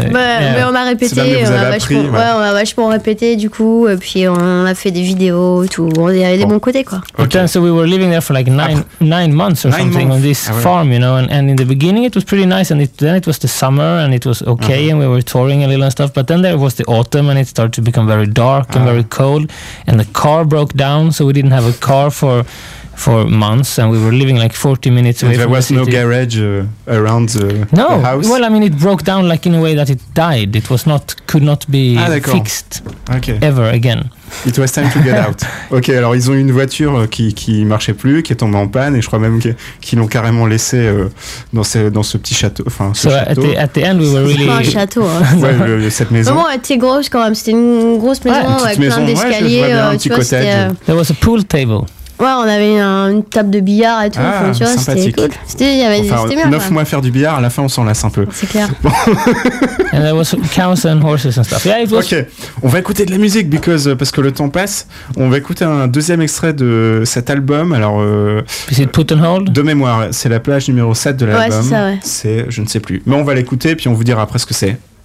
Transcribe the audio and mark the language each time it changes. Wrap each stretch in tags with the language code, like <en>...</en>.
<fr>Mais on a répété, on a vachement répété du coup, et puis on a fait des vidéos et tout, il y avait des bons côtés quoi.</fr> <en>Okay. Then, so we were living there for like nine months or something on this farm, you know, and in the beginning it was pretty nice, and then it was the summer and it was okay, and we were touring a little and stuff, but then there was the autumn and it started to become very dark and very cold, and the car broke down, so we didn't have a car for months, and we were living like 40 minutes away from the city. There was no garage around no. the house? No, well, I mean, it broke down like in a way that it died. It was not, could not be fixed ever again. It was time to get out.</en> <fr>Ok, alors ils ont eu une voiture qui marchait plus, qui est tombée en panne, et je crois même qu'ils l'ont carrément laissé dans ce petit château. Enfin, ce château.</fr> <en>At the end, we were really.</en> <fr>C'est pas un château. Hein. Ouais, cette maison. Vraiment, elle était grosse quand même. C'était une grosse maison avec plein d'escaliers. Ouais, je vois bien, un petit cottage.</fr> <en>There was a pool table.</en> <fr>Ouais, on avait une table de billard et tout. Ah, enfin, tu vois, sympathique. C'était cool. C'était bien. 9 mois à faire du billard, à la fin, on s'en lasse un peu. C'est clair. Bon.</fr> <en>And there was cows and horses and stuff. Yeah, it was.</en> <fr>Ok, on va écouter de la musique parce que le temps passe. On va écouter un deuxième extrait de cet album. Alors,</fr> <en>is it Put and Hold?</en> <fr>De mémoire, c'est la plage numéro 7 de l'album. Ouais, c'est ça, ouais. C'est, je ne sais plus. Mais on va l'écouter, puis on vous dira après ce que c'est.</fr>